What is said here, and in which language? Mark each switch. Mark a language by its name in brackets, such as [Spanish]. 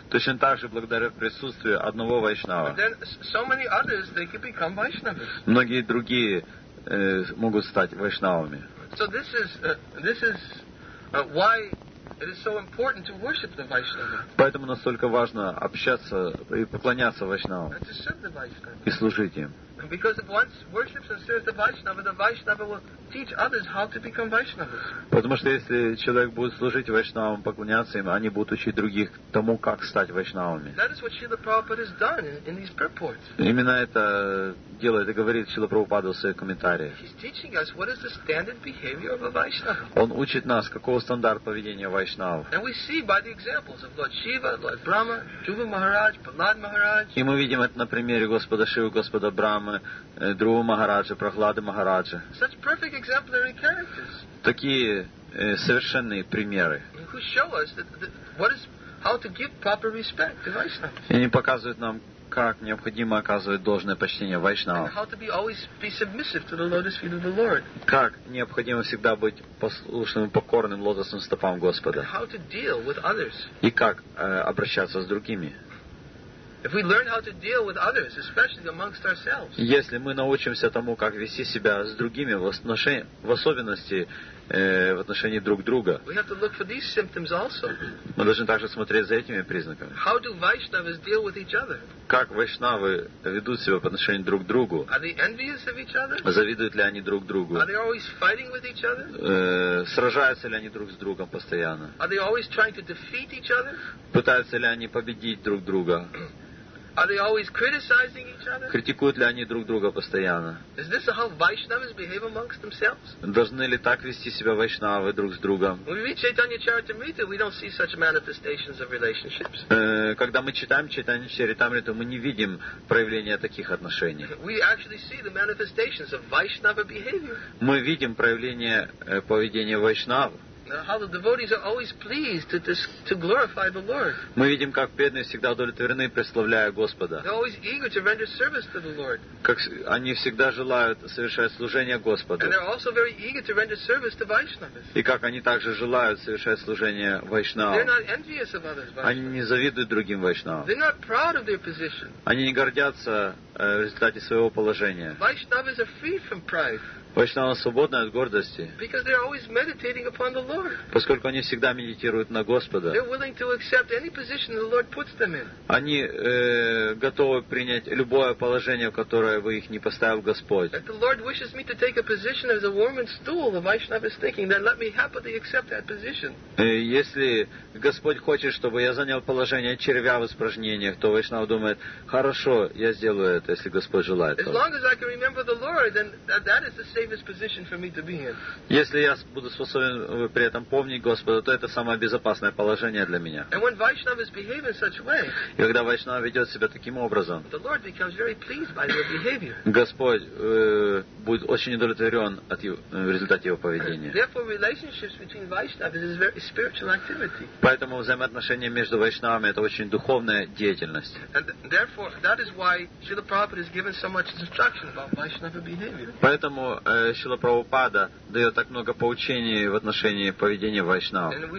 [Russian] Точно так же, благодаря присутствию одного вайшнава. [English] But then, so many others, they can become Vaishnavas. [Russian] Многие другие могут стать вайшнавами. [English] So this is why it is so important to worship the Vaishnava. [Russian] Поэтому настолько важно общаться и поклоняться вайшнавам. [English] And to serve the Vaishnava. [Russian] И служить им. [English] Because if one worships and serves the Vaishnava will teach others how to become Vaishnavas. [Russian] Потому что если человек будет служить вайшнавам, поклоняться им, они будут учить других тому, как стать вайшнавами. [English] That is what Srila Prabhupada has done in these purports. [Russian] Именно это делает и говорит Шрила Прабхупада в своих комментариях. [English] He's teaching us what is the standard behavior of a Vaishnava. [Russian] Он учит нас, какого стандарт поведения вайшнава. [English] And we see by the examples of Lord Shiva, Lord Brahma, Dhruva Maharaj, Prahlad Maharaj. [Russian] И мы видим это на примере Господа Шивы, Господа Брамы, Дхрува Махараджа, Прахлады Махараджа. [English] Such perfect exemplary characters. [Russian] Такие совершенные примеры. [English] Who show us what is how to give proper respect to Vaishnava. [Russian] И они показывают нам, как необходимо оказывать должное почтение вайшнавам. [English] How to be always be submissive to the lotus feet of the Lord. [Russian] Как необходимо всегда быть послушным и покорным лотосным стопам Господа. [English] And how to deal with others. [Russian] И как обращаться с другими. [English] If we learn how to deal with others, especially amongst ourselves. [Russian] Если мы научимся тому, как вести себя с другими, в особенности в отношении друг друга. [English] We have to look for these symptoms also. [Russian] Мы должны также смотреть за этими признаками. [English] How do Vaishnavas deal with each other? [Russian] Как вайшнавы ведут себя по отношению друг к другу? [English] Are they envious of each other? [Russian] Завидуют ли они друг другу? [English] Are they always fighting with each other? [Russian] Сражаются ли они друг с другом постоянно? [English] Are they always trying to defeat each other? [Russian] Пытаются ли они победить друг друга? [English] Are they always criticizing each other? [Russian] Критикуют ли они друг друга постоянно? [English] Is this how Vaishnavas behave amongst themselves? [Russian] Должны ли так вести себя вайшнавы друг с другом? [English] When we read Chaitanya Charitamrita, we don't see such manifestations of relationships. [Russian] Когда мы читаем Чайтанья Чаритамриту, мы не видим проявления таких отношений. [English] We actually see the manifestations of Vaishnava behavior. [Russian] Мы видим проявление поведения вайшнав. [English] How the devotees are always pleased to glorify the Lord. [Russian] Мы видим, как бедные всегда удовлетворены, прославляя Господа. [English] They're always eager to render service to the Lord. [Russian] Как они всегда желают совершать служение Господу. [English] And they're also very eager to render service to Vaishnavas. [Russian] И как они также желают совершать служение вайшнавам. [English] They're not envious of others. Vaishnavas. [Russian] Они не завидуют другим вайшнавам. [English] They're not proud of their position. [Russian] Они не гордятся в результате своего положения. [English] Vaishnavas are free from pride. [Russian] Вайшнавы свободны от гордости. [English] Because they're always meditating upon the Lord. [Russian] Поскольку они всегда медитируют на Господа. [English] They're willing to accept any position the Lord puts them in. [Russian] Они готовы принять любое положение, в которое бы их не поставил Господь. [English] If the Lord wishes me to take a position as a worm in stool, the Vaishnava is thinking, then let me happily accept that position. [Russian] Если Господь хочет, чтобы я занял положение червя в испражнениях, то Вайшнава думает, хорошо, я сделаю это, если Господь желает. [English] As long as I can remember the Lord, then that is the safest position for me to be in. [Russian] Если я буду способен при этом помнить Господа, то это самое безопасное положение для меня. [English] And when Vaishnavas behave in such a way, [Russian] и когда Вайшнава ведет себя таким образом, [English] the Lord becomes very pleased by their behavior. [Russian] Господь будет очень удовлетворен от в результате его поведения. [English] Therefore, relationships between Vaishnavas is a very spiritual activity. [Russian] Поэтому взаимоотношения между Вайшнавами — это очень духовная деятельность. [English] And therefore, that is why Srila Prabhupada has given so much instruction about Vaishnava behavior. [Russian] Поэтому Шрила Прабхупада дает так много поучений в отношении поведения вайшнава.